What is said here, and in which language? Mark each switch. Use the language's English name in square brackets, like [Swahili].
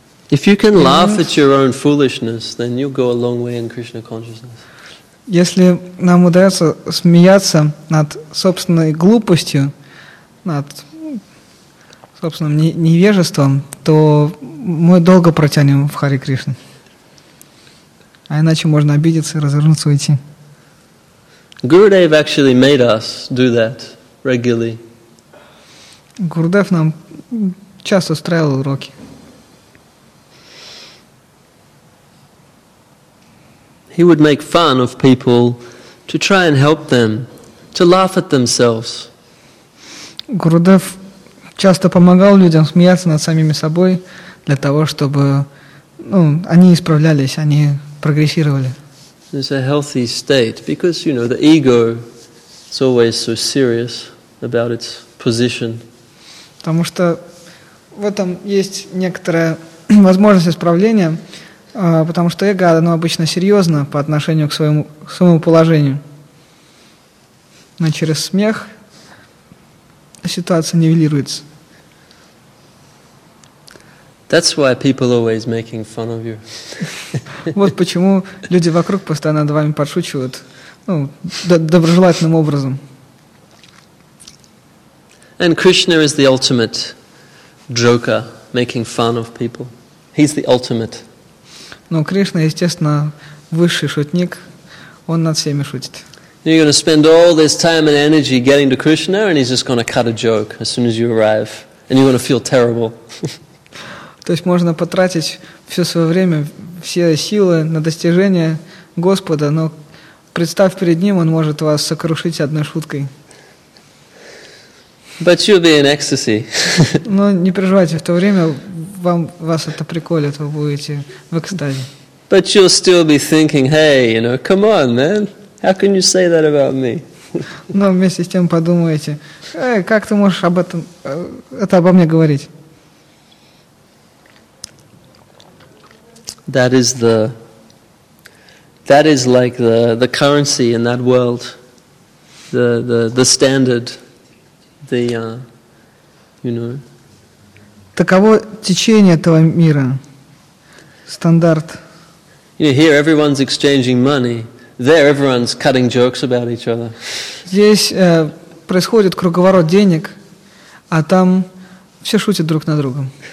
[English] If you can laugh at your own foolishness, then you'll go a long way in Krishna consciousness. [Russian] Если нам удается смеяться над собственной глупостью, над собственным невежеством, то мы долго протянем в Харе Кришне. А иначе можно обидеться и развернуться и уйти. [English] Gurudev actually made us do that regularly. [Russian] Гурудев нам часто устраивал уроки. [English] He would make fun of people to try and help them, to laugh at themselves. [Russian] Гурудев часто помогал людям смеяться над самими собой для того, чтобы ну, они исправлялись, они прогрессировали. [English] It's a healthy state because, you know, the ego is always so serious about its position. [Russian] Потому что в этом есть некоторая возможность исправления, потому что эго, оно обычно серьезно по отношению к своему положению. Но через смех ситуация нивелируется. [English] That's why people always making fun of you. [Russian] Вот почему люди вокруг постоянно над вами подшучивают, ну, доброжелательным образом. [English] And Krishna is the ultimate joker, making fun of people. He's the ultimate. [Russian] Но Кришна, естественно, высший шутник. Он над всеми шутит. [English] You're going to spend all this time and energy getting to Krishna, and he's just going to cut a joke as soon as you arrive, and you're going to feel terrible. [Russian] То есть можно потратить все свое время, все силы на достижение Господа, но представь перед Ним, Он может вас сокрушить одной шуткой. [English] But you'll be in ecstasy. [Russian] Но не переживайте, в то время вам, вас это приколит, вы будете в экстазе. [English] But you'll still be thinking, hey, you know, come on, man, how can you say that about me? [Russian] Но вместе с тем подумаете, эй, как ты можешь об этом, это обо мне говорить? [English] That is the, that is like the currency in that world, the standard, the, you know. [Russian] Таково течение этого мира, стандарт. [English] You know, here everyone's exchanging money. There everyone's cutting jokes about each other. [Russian] Здесь происходит круговорот денег, а там все шутят друг на другом.